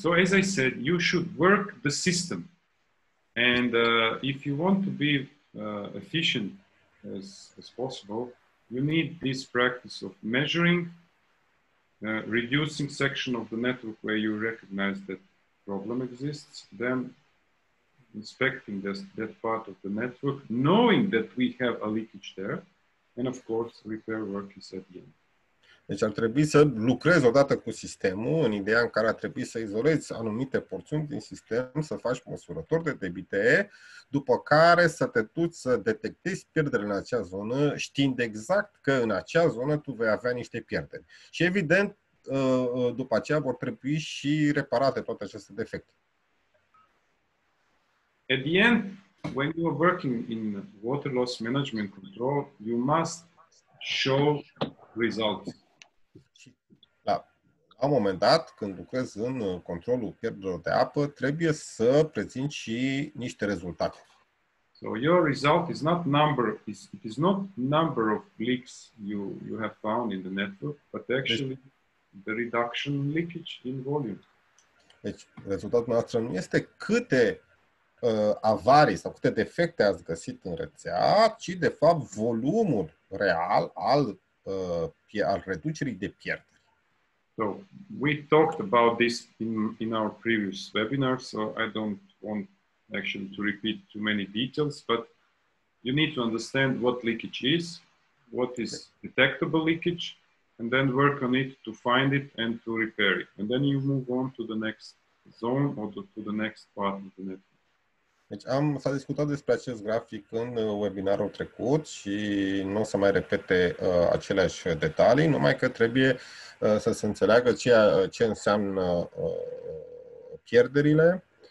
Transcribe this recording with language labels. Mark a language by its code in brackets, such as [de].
[en] So, as I said, you should work the system. And if you want to be efficient as possible, you need this practice of measuring, reducing section of the network where you recognize that problem exists, then inspecting that part of the network, knowing that we have a leakage there, and of course repair work is at the end. [ro] Deci ar trebui să lucrezi odată cu sistemul, în ideea în care ar trebui să izolezi anumite porțiuni din sistem, să faci măsurători de debite, după care să te duci să detectezi pierderile în acea zonă, știind exact că în acea zonă tu vei avea niște pierderi. Și evident, după aceea vor trebui și reparate toate aceste defecte. [en] At the end, when you are working in water loss management control, you must show results. [ro] La, la un moment dat, când lucrez în controlul pierderilor de apă, trebuie să prezin și niște rezultate. [en] So your result is not number, it is not number of leaks you have found in the network, but actually the reduction leakage in volume. [ro] Deci rezultatul nostru nu este câte avarii sau câte defecte ați găsit în rețea, ci de fapt volumul real al al reducerii de pierderi. [en] So we talked about this in our previous webinar, so I don't want actually to repeat too many details, but you need to understand what leakage is, what is detectable leakage, and then work on it to find it and to repair it. And then you move on to the next zone or to the next part of the network. [ro] Deci am, s-a discutat despre acest grafic în webinarul trecut și nu o să mai repete aceleași detalii, numai că trebuie să se înțeleagă ce înseamnă pierderile.